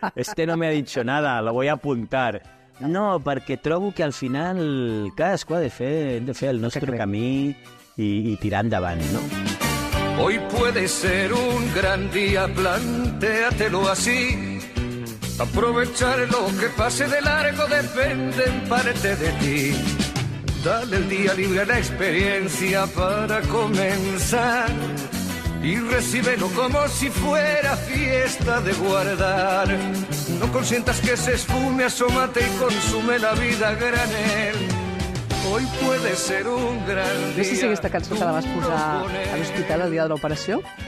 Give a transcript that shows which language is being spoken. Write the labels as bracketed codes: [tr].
[es] Este no me ha dicho nada, lo voy a apuntar. [ca] No, perquè trobo que al final cadascú ha de fer el nostre camí i tirar endavant, no? [es] Hoy puede ser un gran día, plantéatelo así. Aprovechar lo que pase de largo depende en parte de ti. Dale el día libre a la experiencia para comenzar y recíbelo como si fuera fiesta de guardar. No consientas que se esfume, asómate y consume la vida a granel. Hoy puede ser un gran día. [ca] No sé si aquesta cançó te la vas posar a l'hospital el dia de l'operació.